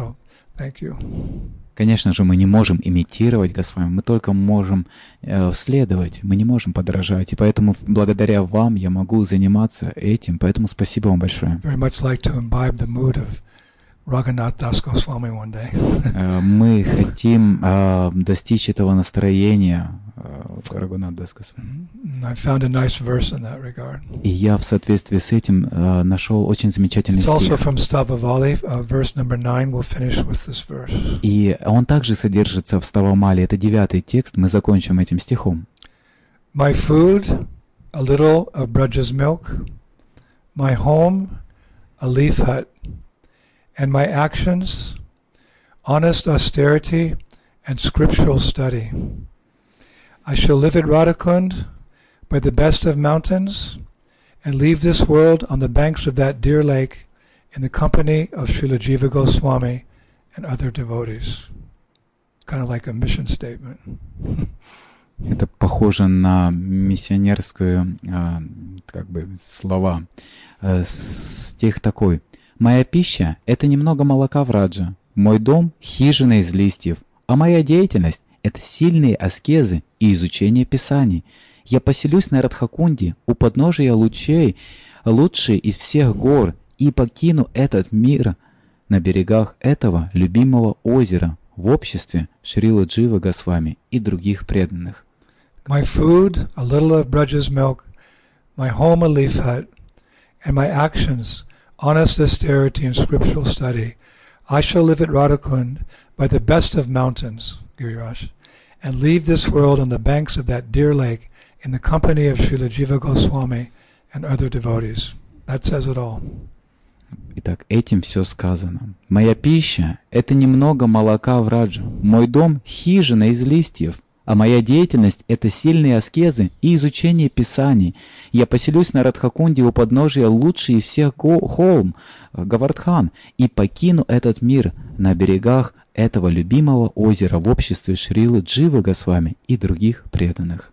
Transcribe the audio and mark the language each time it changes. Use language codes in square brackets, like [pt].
[en] So thank you. [ru] Конечно же, мы не можем имитировать Госвами, мы только можем следовать, мы не можем подражать. И поэтому благодаря вам я могу заниматься этим. Поэтому спасибо вам большое. [en] Very much like to imbibe the mood of Raghunath Das Goswami one day. [ru] Мы хотим достичь этого настроения Raghunath Das Goswami. [en] I found a nice verse in that regard. [ru] И я в соответствии с этим нашел очень замечательный стих. [en] It's also from Stavavali, verse number 9. We'll finish with this verse. [ru] И он также содержится в Ставамали. Это девятый текст. Мы закончим этим стихом. [en] My food, a little of Braja's milk. My home, a leaf hut. And my actions, honest austerity and scriptural study. I shall live at Radhakund by the best of mountains and leave this world on the banks of that dear lake in the company of Srila Jiva Goswami and other devotees. Kind of like a mission statement. [ru] Это похоже на миссионерские как бы слова. Стих такой. Моя пища — это немного молока в Раджа. Мой дом — хижина из листьев. А моя деятельность — это сильные аскезы и изучение писаний. Я поселюсь на Радхакунде у подножия лучей, лучшей из всех гор, и покину этот мир на берегах этого любимого озера в обществе Шрилы Дживы Госвами и других преданных. [en] My food — a little of Braja's milk. My home — a leaf hut. And my actions — honest austerity and scriptural study. I shall live at Radhakund by the best of mountains, Giriraj, and leave this world on the banks of that dear lake in the company of Srila Jiva Goswami and other devotees. That says it all. [ru] Итак, этим все сказано. Моя пища — это немного молока в Раджу. Мой дом — хижина из листьев. А моя деятельность — это сильные аскезы и изучение писаний. Я поселюсь на Радхакунде у подножия лучшей из всех холм, Говардхан, и покину этот мир на берегах этого любимого озера в обществе Шрилы Дживы Госвами и других преданных.